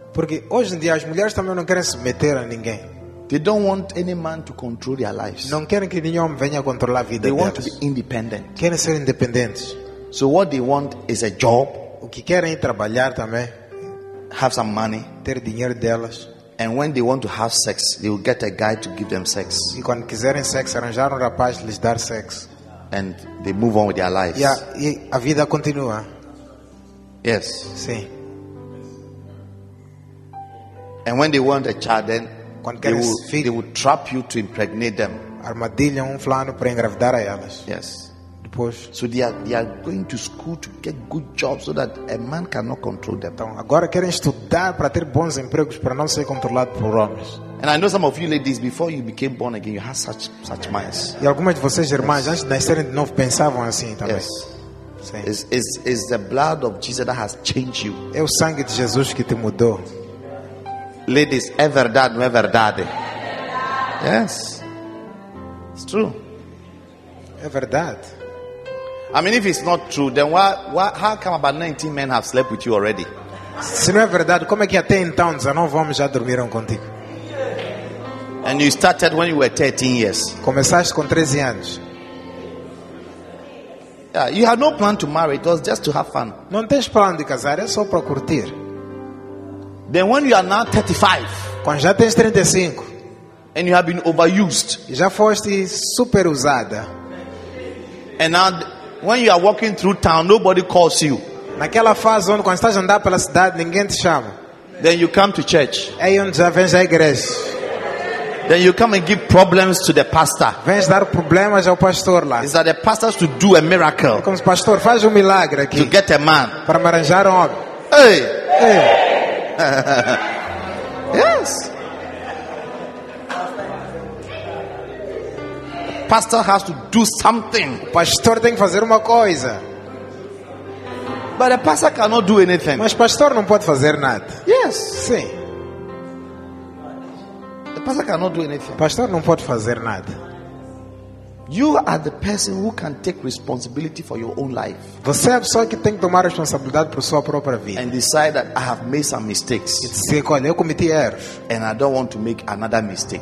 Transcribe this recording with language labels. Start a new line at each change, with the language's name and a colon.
Portuguese: Porque hoje em dia as mulheres também não querem submeter a ninguém.
English: They don't want any man to control their lives.
Portuguese: Não querem que nenhum homem venha controlar a vida deles.
English: They want to be independent.
Portuguese: Querem ser independentes.
English: So what they want is a job.
Portuguese: O que querem é trabalhar também.
English: Have some money.
Portuguese: Ter dinheiro delas.
English: And when they want to have sex, they will get a guy to give them sex.
Portuguese: E quando quiserem sexo, arranjar rapaz lhes dar sexo.
English: And they move on with their lives.
Portuguese: Yeah, e a vida continua.
English: Yes.
Portuguese: Sim.
English: And when they want a child, then
Portuguese: quando querem
English: they will trap you to impregnate them.
Portuguese: armadilha, um plano para engravidar a elas.
English: Yes.
Portuguese: Depois,
English: so they are going to school to get good jobs so that a man cannot control them.
Portuguese: Então, agora querem estudar para ter bons empregos para não ser controlado por homens.
English: And I know some of you ladies, before you became born again, you had such minds.
Portuguese: E algumas de vocês irmãs, yes, antes de nascerem de novo, pensavam assim também.
English: Yes. It's the blood of Jesus that has changed you.
Portuguese: É o sangue de Jesus que te mudou. Ladies, é verdade, não é verdade?
English: Yes. It's true.
Portuguese: É verdade.
English: I mean, if it's not true, then why, how come about 19 men have slept with you already?
Portuguese: Se não é verdade, como é que até então 19 homens já dormiram contigo?
English: And you started when you were 13 years.
Portuguese: Começaste com 13 anos.
English: Yeah, you had no plan to marry, it was just to have fun.
Portuguese: Não tens plano de casar, é só para curtir.
English: Then when you are now 35,
Portuguese: quando já tens 35,
English: and you have been overused,
Portuguese: já foste super usada.
English: And now when you are walking through town, nobody calls you.
Portuguese: Naquela fase onde quando estás a andar pela cidade, ninguém te chama.
English: Then you come to church.
Portuguese: Aí onde já vens à igreja.
English: Then you come and give problems to the pastor.
Portuguese: Vens dar problemas ao pastor lá.
English: Is that the pastor to do a miracle?
Portuguese: É como se pastor faz milagre aqui.
English: To get a man.
Portuguese: Para arranjar homem. Hey. Hey.
English: Yes. Pastor has to do something.
Portuguese: O pastor tem que fazer uma coisa.
English: But a pastor cannot do anything.
Portuguese: Mas pastor não pode fazer nada.
English: Yes.
Portuguese: Sim.
English: The pastor cannot do anything.
Portuguese: Pastor não pode fazer nada.
English: You are the person who can take responsibility for your own life.
Portuguese: Você é a pessoa que tem que tomar responsabilidade por sua própria vida.
English: And decide that I have made some mistakes.
Portuguese: Dizer que eu cometi erros.
English: And I don't want to make another mistake.